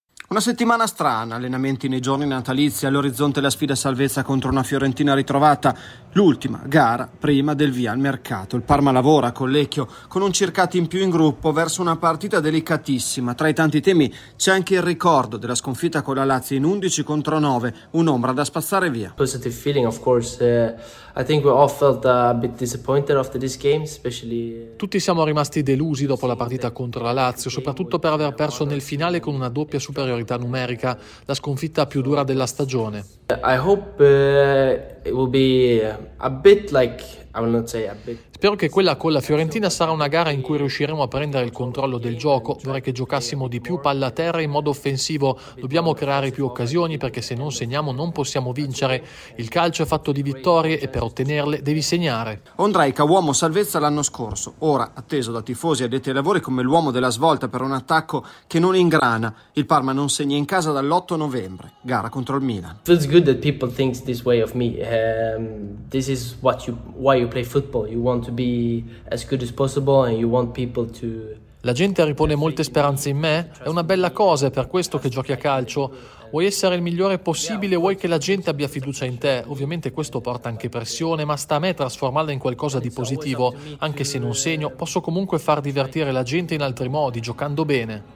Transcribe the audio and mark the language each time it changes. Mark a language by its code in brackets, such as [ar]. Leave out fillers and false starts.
[it] Una settimana strana, allenamenti nei giorni natalizi, all'orizzonte la sfida salvezza contro una Fiorentina ritrovata, l'ultima gara prima del via al mercato. Il Parma lavora con l'Ecchio, con un circato in più in gruppo, verso una partita delicatissima. Tra i tanti temi c'è anche il ricordo della sconfitta con la Lazio in 11 contro 9, un'ombra da spazzare via. [en] Positive feeling, of course. I think we all felt a bit disappointed after this game, especially. [it] Tutti siamo rimasti delusi dopo la partita contro la Lazio, soprattutto per aver perso nel finale con una doppia superiorità numerica, la sconfitta più dura della stagione. [en] I hope it will be a bit like. [it] Spero che quella con la Fiorentina sarà una gara in cui riusciremo a prendere il controllo del gioco. Vorrei che giocassimo di più palla a terra in modo offensivo. Dobbiamo creare più occasioni perché se non segniamo non possiamo vincere. Il calcio è fatto di vittorie e per ottenerle devi segnare. Ondrejc, uomo salvezza l'anno scorso. Ora atteso da tifosi e addetti ai lavori come l'uomo della svolta per un attacco che non ingrana. Il Parma non segna in casa dall'8 novembre. Gara contro il Milan. [en] Feels good that people think this way of me. This is what you want. You play football, you want to be as good as possible and you want people to. [it] La gente ripone molte speranze in me, è una bella cosa, è per questo che giochi a calcio. Vuoi essere il migliore possibile, vuoi che la gente abbia fiducia in te. Ovviamente questo porta anche pressione, ma sta a me trasformarla in qualcosa di positivo. Anche se non segno, posso comunque far divertire la gente in altri modi, giocando bene.